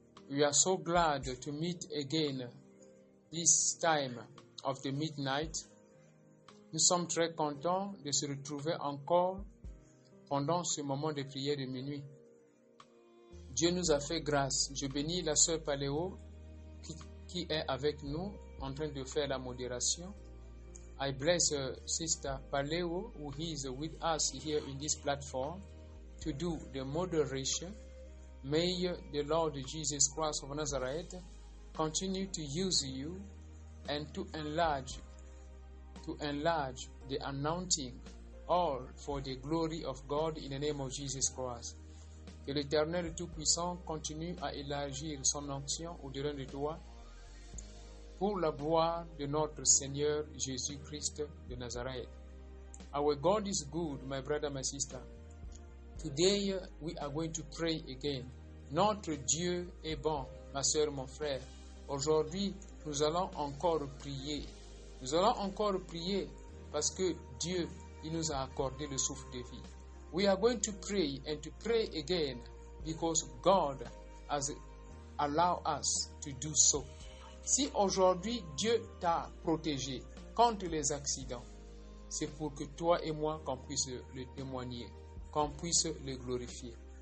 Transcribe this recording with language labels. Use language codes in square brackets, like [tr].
[en] We are so glad to meet again this time of the midnight. [fr] Nous sommes très contents de se retrouver encore pendant ce moment de prière de minuit. Dieu nous a fait grâce. Je bénis la sœur Paléo qui est avec nous en train de faire la modération. [en] I bless Sister Paléo who is with us here in this platform to do the moderation. May the Lord Jesus Christ of Nazareth continue to use you and to enlarge the anointing all for the glory of God in the name of Jesus Christ. [fr] Que l'Éternel Tout-Puissant continue à élargir son onction au-delà de toi pour la gloire de notre Seigneur Jésus-Christ de Nazareth. [en] Our God is good, my brother, my sister. Today, we are going to pray again. [fr] Notre Dieu est bon, ma soeur, mon frère. Aujourd'hui, nous allons encore prier. Nous allons encore prier parce que Dieu, il nous a accordé le souffle de vie. [en] We are going to pray and to pray again because God has allowed us to do so. [fr] Si aujourd'hui Dieu t'a protégé contre les accidents, c'est pour que toi et moi qu'on puisse le témoigner, qu'on puisse le glorifier.